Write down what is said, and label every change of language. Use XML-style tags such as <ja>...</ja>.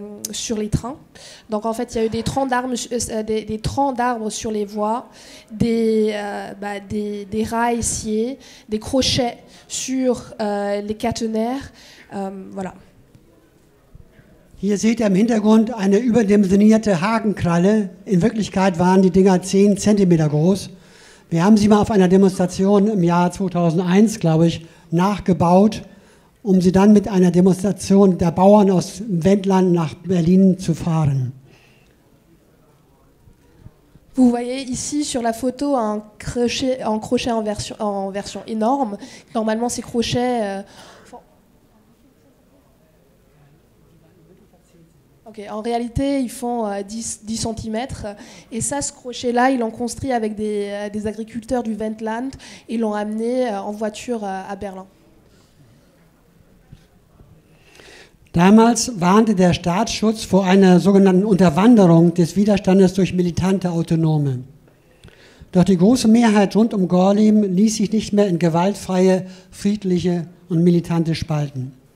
<fr>sur les trains. Donc en fait, il y a eu des troncs d'arbres sur les voies, des rails sciés, des crochets sur les catenaires. Voilà.</fr> <de>Hier seht ihr im Hintergrund eine überdimensionierte Hakenkralle. In Wirklichkeit waren die Dinger 10 cm groß. Wir haben sie mal auf einer Demonstration im Jahr 2001, glaube ich, nachgebaut, um sie dann mit einer Demonstration der Bauern aus Wendland nach Berlin zu fahren.</de> <fr>Vous voyez ici sur la photo un crochet en version énorme. Normalement, ces crochets. En réalité, ils font 10 cm. Et ça, ce crochet-là, ils l'ont construit avec des agriculteurs du Wendland et l'ont amené en voiture à Berlin.</fr> <de>Damals warnte der Staatsschutz vor einer sogenannten Unterwanderung des Widerstandes durch militante Autonome. Doch die große Mehrheit rund um Gorleben ließ sich nicht mehr in gewaltfreie, friedliche und militante spalten.</de>